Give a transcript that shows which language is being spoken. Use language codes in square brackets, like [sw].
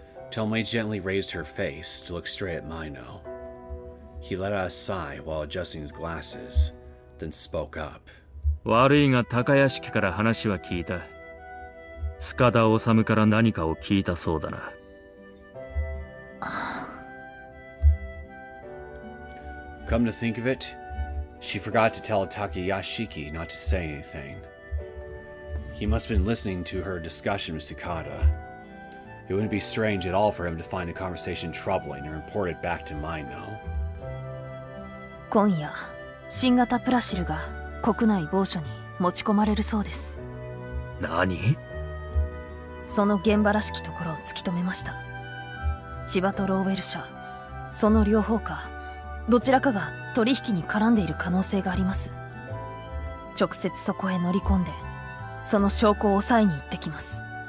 [en] Tomoe gently raised her face to look straight at Maino. He let out a sigh while adjusting his glasses, then spoke up. [ja] 悪いが高屋敷から話は聞いた。塚田治から何かを聞いたそうだな。 [en] Come to think of it, she forgot to tell Takayashiki not to say anything. He must have been listening to her discussion with Tsukada. It wouldn't be strange at all for him to find the conversation troubling and report it back to Maino. [ja] 今夜、新型プラシルが国内某所に持ち込まれるそうです。何？その現場らしきところを突き止めました。千葉とローウェル社、その両方か。どちらかが取引に絡んでいる可能性があります。直接そこへ乗り込んで、その証拠を抑えに行ってきます。